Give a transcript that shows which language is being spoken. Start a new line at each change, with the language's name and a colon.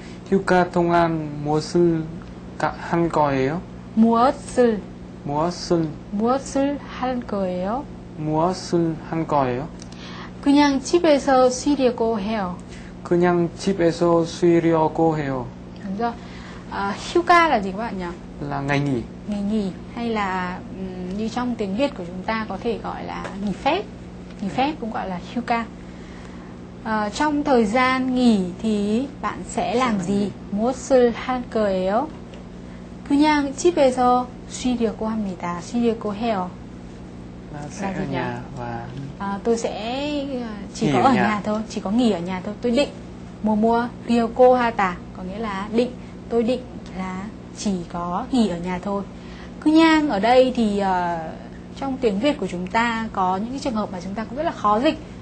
Korean: 휴가 동안 무엇을 할 거예요? 무엇을 무엇을 무엇을 할 거예요? 무엇을 할 거예요? 그냥 집에서 쉬려고 해요. 그냥 집에서 쉬려고 해요. 먼저 휴가라 지금 뭐냐?
Vietnamese: là ngày nghỉ. Ngày nghỉ hay là như trong tiếng Việt của chúng ta có thể gọi là nghỉ phép. Nghỉ phép cũng gọi là 휴가. Trong thời gian nghỉ thì bạn sẽ làm gì?
Korean: 무엇을 할 거예요? 그냥 집에서 쉬려고 합니다. 쉬려고 해요.
Vietnamese: Sẽ ở nhà và tôi sẽ chỉ có ở nhà thôi, chỉ có nghỉ ở nhà thôi. Tôi định mua mua 쉬려고 하다 có nghĩa là định, tôi định là chỉ có nghỉ ở nhà thôi. 그냥 ở đây thì trong tiếng Việt của chúng ta có những cái trường hợp mà chúng ta cũng rất là khó dịch.